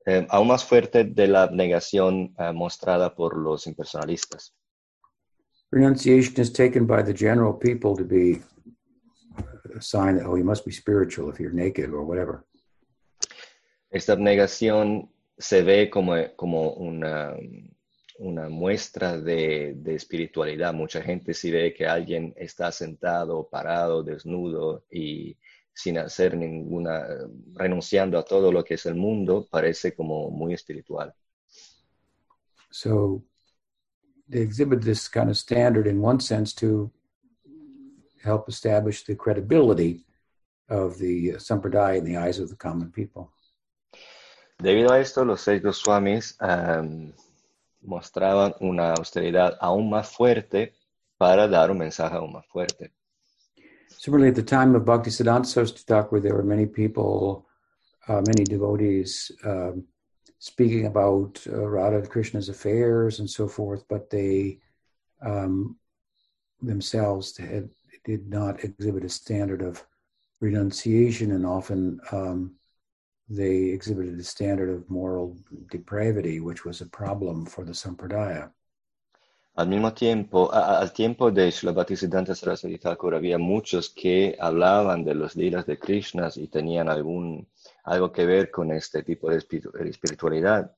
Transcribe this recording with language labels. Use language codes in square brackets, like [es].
[es] Aún más fuerte de la abnegación mostrada por los impersonalistas. [en] Renunciation is taken by the general people to be a sign that, oh, you must be spiritual if you're naked or whatever. [es] Esta abnegación se ve como una muestra de espiritualidad. Mucha gente si ve que alguien está sentado, parado, desnudo y sin hacer ninguna, renunciando a todo lo que es el mundo, parece como muy espiritual. [en] So, they exhibit this kind of standard in one sense to help establish the credibility of the Sampradaya in the eyes of the common people. [es] Debido a esto, los seis Goswamis mostraban una austeridad aún más fuerte para dar un mensaje aún más fuerte. [en] Similarly, at the time of Bhaktisiddhanta Saraswati Thakur, there were many people, many devotees speaking about Radha and Krishna's affairs and so forth, but they themselves did not exhibit a standard of renunciation, and often they exhibited a standard of moral depravity, which was a problem for the Sampradaya. [es] Al mismo tiempo, al tiempo de Srila Bhaktisiddhanta Saraswati Thakur, había muchos que hablaban de los lilas de Krishna y tenían algo que ver con este tipo de espiritualidad.